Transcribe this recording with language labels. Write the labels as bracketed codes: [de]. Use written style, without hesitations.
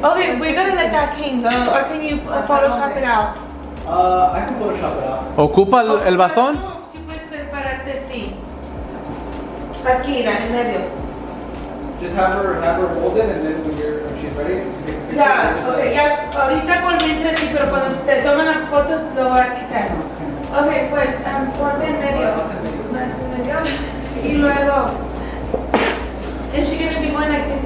[en] Okay, we're gonna let that cane go. Or can you Photoshop it out? I can Photoshop it out. [es] ¿Ocupa el bastón? Si puedes separarte, sí. Aquí, en medio. [en] Just have her hold it and then when she's ready, take a picture. Yeah, okay. [es] Ahorita por mientras, sí, pero cuando te toman la foto, lo voy a quitar. Okay, pues, ponte en medio. Más en medio. Y luego, [en] is she gonna be going like this?